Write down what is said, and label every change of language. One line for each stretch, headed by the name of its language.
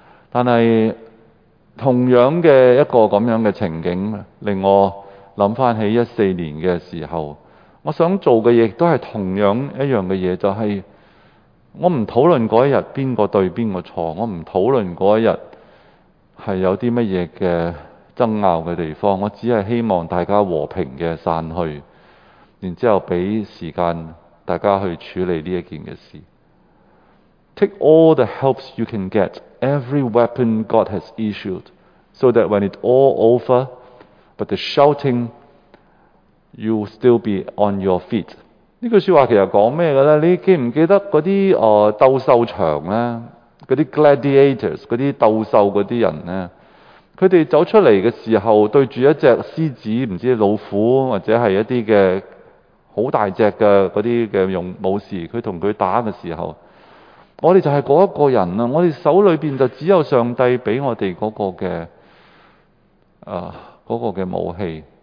Cantonese: 但是同樣的一個這樣的情景，令我想起2014年的時候，我想做的事都是同樣一樣的事，就是我不討論那一天誰對誰錯，我不討論那一天是有什麼的爭拗的地方，我只是希望大家和平的散去，然後給時間大家去處理這件事。
English: Take all the helps you can get, every weapon God has issued, so that when it's all over, but the shouting, you'll still be on your feet.
Cantonese: 這句話其實說什麼呢？你記不記得那些鬥獸場呢？那些 gladiators, 那些鬥獸那些人呢？他们走出来的时候，对着一只狮子，不知道老虎或者是一些的很大只的那些勇武士，他跟他打的时候，我们就是那一个人，我们手里面就只有上帝给我们那个的武器。